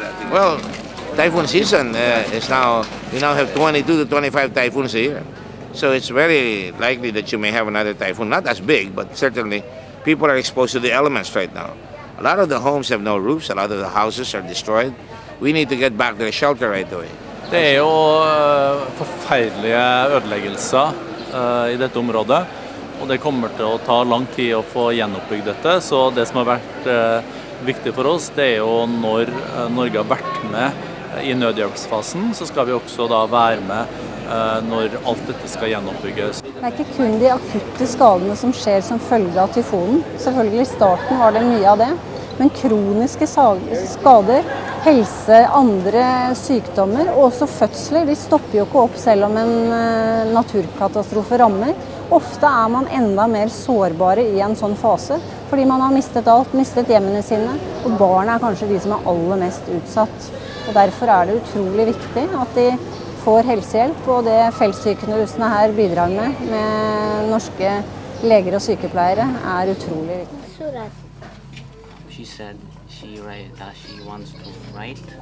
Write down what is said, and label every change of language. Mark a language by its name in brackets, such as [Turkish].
[English] Well, typhoon season is now, we now have 22 to 25 typhoons a year. So it's very likely that you may have another typhoon, not as big, but certainly people are exposed to the elements right now. A lot of the homes have no roofs, a lot of the houses are destroyed. We need to get back to the shelter right away. [Norwegian] Det er jo forferdelige ødeleggelser i dette området, og det kommer til å ta lang tid å få gjenoppbygd dette, så det som har vært viktig for oss, det er jo når Norge har vært med i nødhjelpsfasen, så skal vi også da være med når alt dette skal gjenoppbygges. Det er ikke kun de akutte skadene som skjer som følge av tyfonen. Selvfølgelig i starten var det mye av det. Men kroniske skader, helse, andre sykdommer og også fødsler, de stopper jo ikke opp selv om en naturkatastrofe rammer. Ofte er man enda mer sårbare i en sånn fase, fordi man har mistet alt, mistet hjemmene sine, og barna er kanskje de som er aller mest utsatt. Og derfor er det utrolig viktig at de får helsehjelp, og det feltsykehusene her bidrar med norske leger og sykepleiere, er utrolig viktig. [English] She said she write that she wants to write.